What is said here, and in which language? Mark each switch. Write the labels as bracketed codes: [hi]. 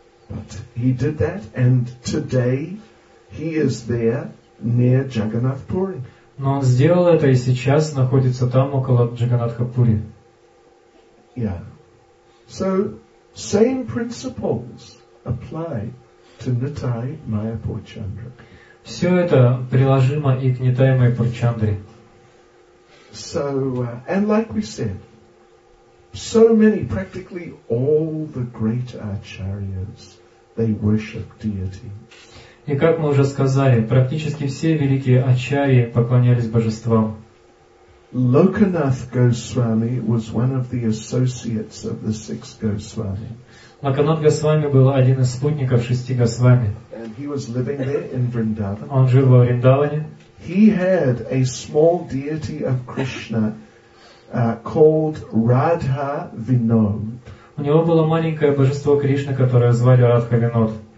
[en] But he did that, and today he is there near Jagannath Puri. [ru] Но он сделал это, и сейчас находится там, около Джаганатхапури. [en] Yeah. So, same principles apply to Nitai Mayapur Chandra. [ru] Все это приложимо и к Нитай Майяпур Чандре. [en] So, and like we said, so many, practically all the great acharyas, they worship deity. [ru] И как мы уже сказали, практически все великие ачарьи поклонялись божествам. [en] Lokanath Goswami was one of the associates of the six Goswami. [ru] Lokanath Goswami был один из спутников шести Госвами. [en] And he was living there in Vrindavan. [ru] Он жил во Вриндаване. [en] He had a small deity of Krishna called Radha Vinod. [ru] У него было маленькое божество Кришны, которое звали Радха Винод.